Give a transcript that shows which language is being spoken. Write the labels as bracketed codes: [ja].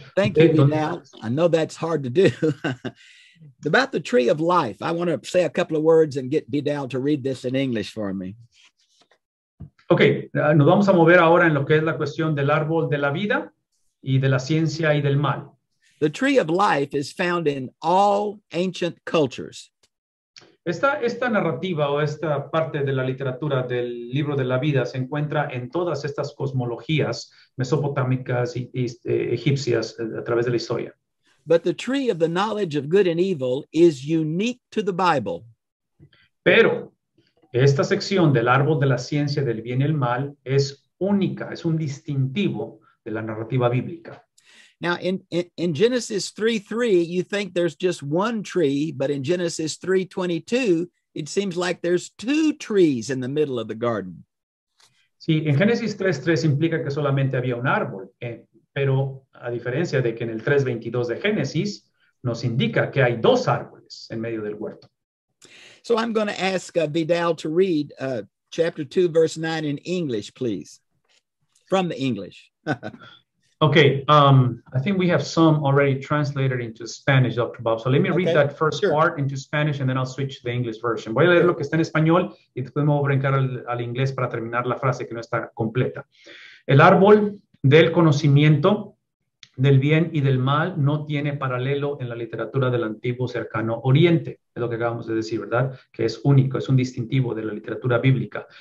[en] Thank you, I know that's hard to do. About the tree of life, I want to say a couple of words and get Vidal to read this in English for me. [es] Ok, nos vamos a mover ahora en lo que es la cuestión del árbol de la vida y de la ciencia y del mal. [en] The tree of life is found in all ancient cultures. [es] Esta narrativa o esta parte de la literatura del libro de la vida se encuentra en todas estas cosmologías mesopotámicas y egipcias a través de la historia. [en] But the tree of the knowledge of good and evil is unique to the Bible. [es] Pero esta sección del árbol de la ciencia del bien y el mal es única, es un distintivo de la narrativa bíblica. [en] Now, in Genesis 3:3, you think there's just one tree, but in Genesis 3:22, it seems like there's two trees in the middle of the garden. [es] Sí, en Génesis 3:3 implica que solamente había un árbol, pero a diferencia de que en el 3:22 de Génesis nos indica que hay dos árboles en medio del huerto. [en] So I'm going to ask Vidal to read chapter 2, verse 9 in English, please. From the English. Okay, I think we have some already translated into Spanish, Dr. Bob. So let me read that first part into Spanish, and then I'll switch to the English version. [es] Voy a leer lo que está en español, y después me voy a brincar al inglés para terminar la frase que no está completa. El árbol del conocimiento del bien y del mal no tiene paralelo en la literatura del antiguo cercano oriente. Es lo que acabamos de decir, ¿verdad? Que es único, es un distintivo de la literatura bíblica.